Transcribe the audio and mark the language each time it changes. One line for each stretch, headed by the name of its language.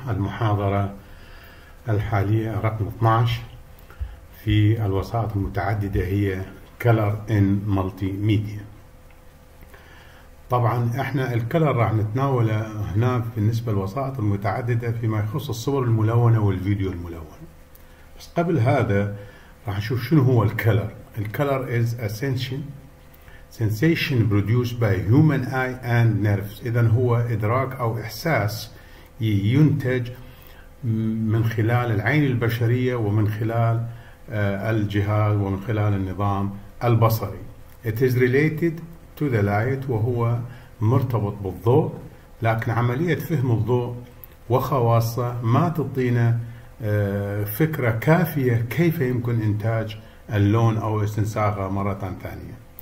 Arabic: المحاضرة الحالية رقم 12 في الوسائط المتعددة هي
English: Color in Multimedia.
Arabic: طبعا احنا الكلر راح نتناوله هنا بالنسبة للوسائط المتعددة فيما يخص الصور الملونة والفيديو الملون. بس قبل هذا راح نشوف شنو هو الكلر.
English: الكلر is ascension sensation produced by human eye and nerves.
Arabic: إذا هو إدراك أو إحساس ينتج من خلال العين البشرية ومن خلال الجهاز ومن خلال النظام البصري.
English: It is related to the light,
Arabic: وهو مرتبط بالضوء، لكن عملية فهم الضوء وخواصه ما تعطينا فكرة كافية كيف يمكن إنتاج اللون أو استنساخه مرة ثانية.